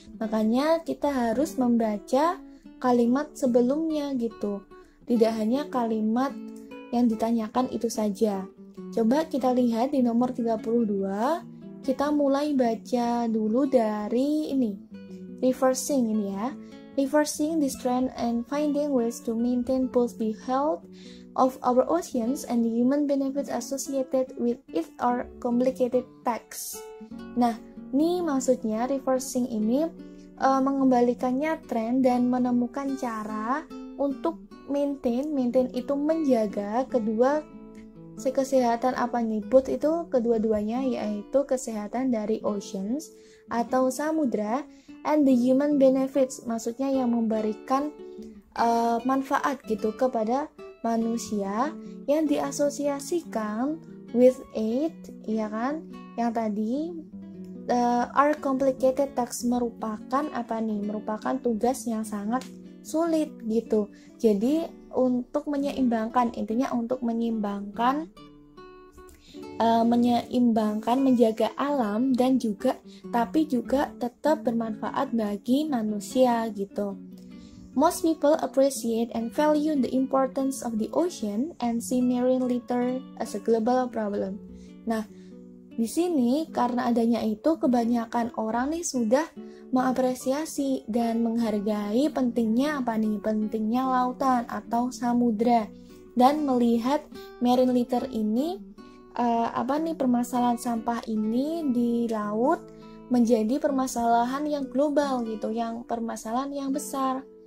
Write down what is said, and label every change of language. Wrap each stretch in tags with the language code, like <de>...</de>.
<id>Makanya kita harus membaca kalimat sebelumnya gitu. Tidak hanya kalimat yang ditanyakan itu saja. Coba kita lihat di nomor 32, kita mulai baca dulu dari ini. Reversing ini ya.</id> <en>Reversing this trend and finding ways to maintain both the health of our oceans and the human benefits associated with it are complicated tasks.</en> <id>Nah, ini maksudnya reversing ini mengembalikannya tren dan menemukan cara untuk maintain itu menjaga kedua kesehatan apa nih? Both itu kedua-duanya, yaitu kesehatan dari oceans atau samudra,</id> <en>and the human benefits,</en> <id>maksudnya yang memberikan manfaat gitu kepada manusia, yang diasosiasikan</id> <en>with aid,</en> <id>ya kan? Yang tadi</id> <en>are complicated tax</en> <id>merupakan apa nih? Merupakan tugas yang sangat sulit gitu. Jadi untuk menyeimbangkan, intinya untuk menyeimbangkan menjaga alam dan juga tapi juga tetap bermanfaat bagi manusia gitu.</id> <en>Most people appreciate and value the importance of the ocean and see marine litter as a global problem.</en> <id>Nah, di sini karena adanya itu kebanyakan orang nih sudah mengapresiasi dan menghargai pentingnya apa nih? Pentingnya lautan atau samudra, dan melihat marine litter ini permasalahan sampah ini di laut menjadi permasalahan yang global gitu, yang permasalahan yang besar.</id>